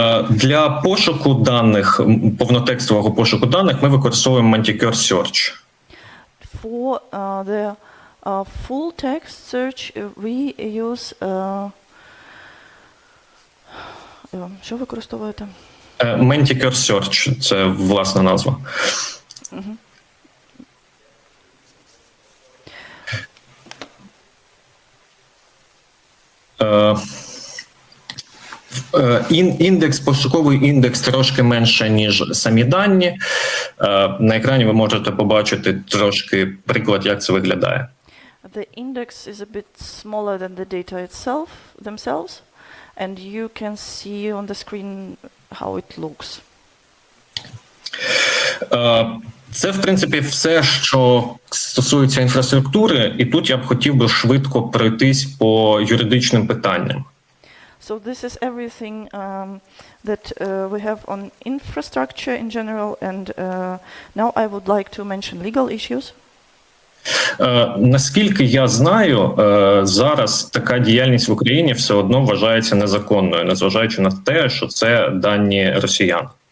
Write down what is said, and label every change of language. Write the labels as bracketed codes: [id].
[uk] Для пошуку даних, повнотекстового пошуку даних, ми використовуємо Manticore Search. [en] For the full text search, we use... [uk] що використовуєте? Manticore Search, це власна назва. Індекс, пошуковий індекс трошки менше, ніж самі дані. На екрані ви можете побачити трошки приклад, як це виглядає. [en] The index is a bit smaller than the data itself, themselves, and you can see on the screen how it looks. [uk] Це, в принципі, все, що стосується інфраструктури, і тут я б хотів би швидко пройтись по юридичним питанням. [en] So this is everything that we have on infrastructure in general, and now I would like to mention legal issues. [uk] Наскільки я знаю, зараз така діяльність в Україні все одно вважається незаконною, незважаючи на те, що це дані росіян.